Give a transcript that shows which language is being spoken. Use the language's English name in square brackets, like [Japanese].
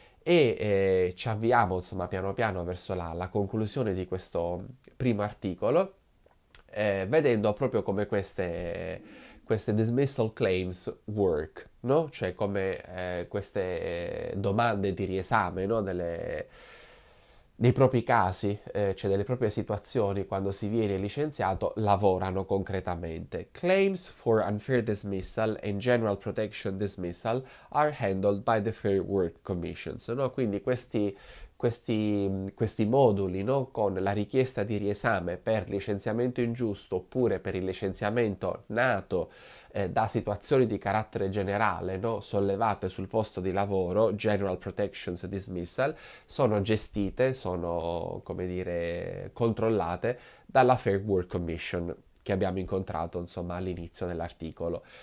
[Italian] E ci avviamo insomma piano piano verso la conclusione di questo primo articolo, vedendo proprio come queste [English] dismissal claims work, [Italian] no? Cioè come queste domande di riesame, no? Dei propri casi, cioè delle proprie situazioni quando si viene licenziato, lavorano concretamente. [English] Claims for unfair dismissal and general protection dismissal are handled by the Fair Work Commissions, no? [Italian] Quindi questi moduli, no? Con la richiesta di riesame per licenziamento ingiusto oppure per il licenziamento nato da situazioni di carattere generale, no, sollevate sul posto di lavoro, general protections dismissal, sono gestite, sono, come dire, controllate dalla Fair Work Commission che abbiamo incontrato, insomma, all'inizio dell'articolo.